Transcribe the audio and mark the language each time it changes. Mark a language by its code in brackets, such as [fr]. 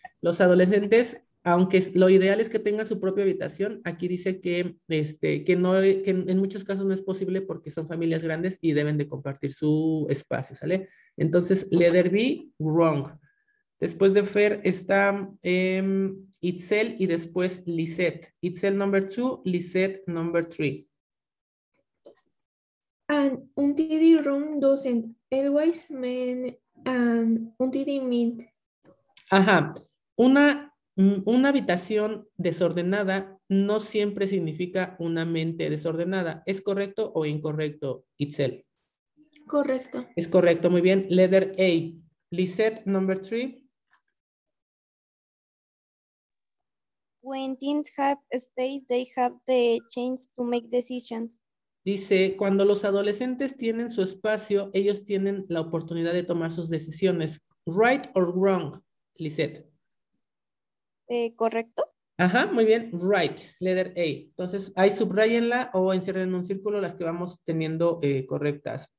[es] Los adolescentes, aunque lo ideal es que tengan su propia habitación, aquí dice que en muchos casos no es posible porque son familias grandes y deben de compartir su espacio, ¿sale? Entonces, [en] letter B, wrong. [es] Después de Fer está Itzel y después Lisette. [en] Itzel number two, Lisette number three. And untidy room doesn't always mean an untidy mind. Ajá. [es] Una habitación desordenada no siempre significa una mente desordenada. ¿Es correcto o incorrecto, Itzel? Correcto. Es correcto, muy bien. [en] Letter A, Lisette number three. When teens have space, they have the chance to make decisions. [es] Dice, cuando los adolescentes tienen su espacio, ellos tienen la oportunidad de tomar sus decisiones. [en] Right or wrong, Lisette? [es] Correcto. Ajá, muy bien. [en] Right, letter A. [es] Entonces, ahí subrayenla o encierren en un círculo las que vamos teniendo correctas.